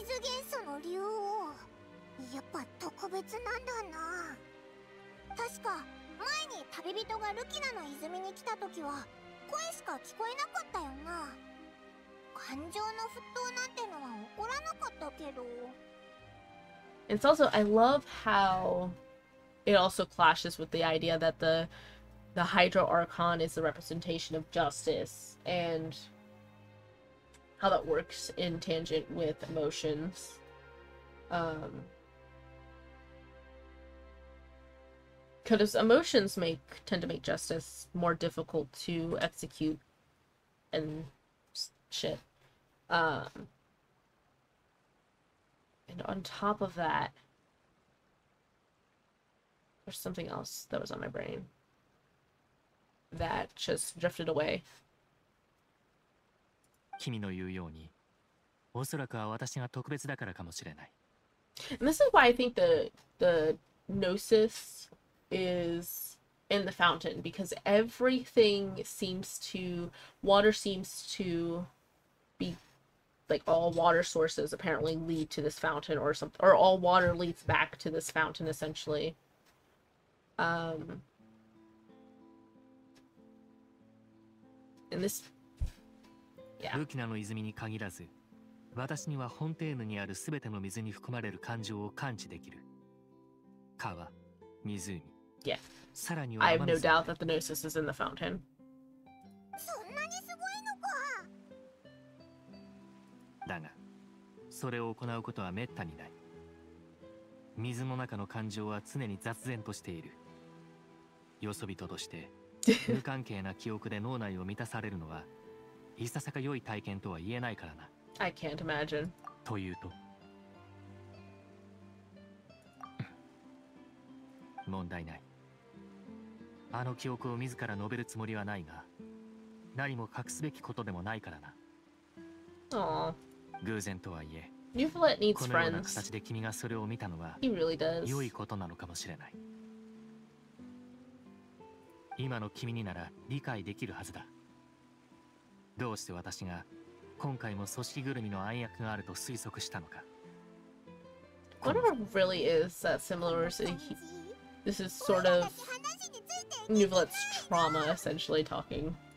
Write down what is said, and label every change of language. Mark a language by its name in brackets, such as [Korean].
[Japanese] 水元素の竜王、やっぱ特別なんだな。確か前に旅人がルキナの泉に来た時は声しか聞こえなかったよな。感情の沸騰なんてのは起こらなかったけど。 [English] It's also, I love how it also clashes with the idea that the Hydro Archon is the representation of justice, and how that works in tangent with emotions. Because emotions tend to make justice more difficult to execute and shit. And on top of that, there's something else that was on my brain that just drifted away. [Japanese] 君の言うように、おそらくは私が特別だからかもしれない。 [English] This is why I think the gnosis is in the fountain, because everything seems to, water seems to be like all water sources apparently lead to this fountain or something, or all water leads back to this fountain essentially. [Japanese] ルキナの泉に限らず、私にはフォンテーヌにある全ての水に含まれる感情を感知できる。川、湖、さらには [English] I have no doubt that the gnosis is in the fountain. [Japanese] そんなにすごいのか。だが、それを行うことは滅多にない。水の中の感情は常に雑然としている。よそ人として無関係な記憶で脳内を満たされるのは、いささか良い体験とは言えないからな。 [English] I can't imagine. [Japanese] というと、問題ない。あの記憶を自ら述べるつもりはないが、何も隠すべきことでもないからな。 Aww. 偶然とはいえ、 [English] Newfoundland needs friends. [Japanese] このような形で君がそれを見たのは、 [English] He really does. [Japanese] 良いことなのかもしれない。今の君になら理解できるはずだ。どうして私が今回も組織ぐるみの暗躍があると推測したのか。 [English] Whatever really is that similar to this is sort of Nuvlet's trauma essentially talking.